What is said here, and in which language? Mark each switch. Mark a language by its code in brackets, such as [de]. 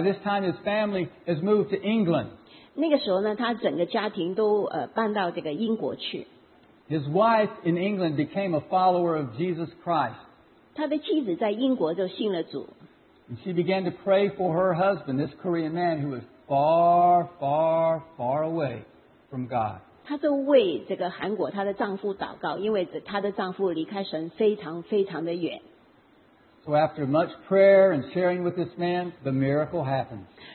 [en] this time, his family has moved to England. [zh] 那个时候呢，他整个家庭都搬到这个英国去。 [en] His wife in England became a follower of Jesus Christ. [zh] 他的妻子在英国就信了主。 [en] And she began to pray for her husband, this Korean man who was far, far, far away from God. [zh] 她就为这个韩国她的丈夫祷告，因为她的丈夫离开神非常非常的远。 [en] So after much prayer and sharing with this man, the miracle happened.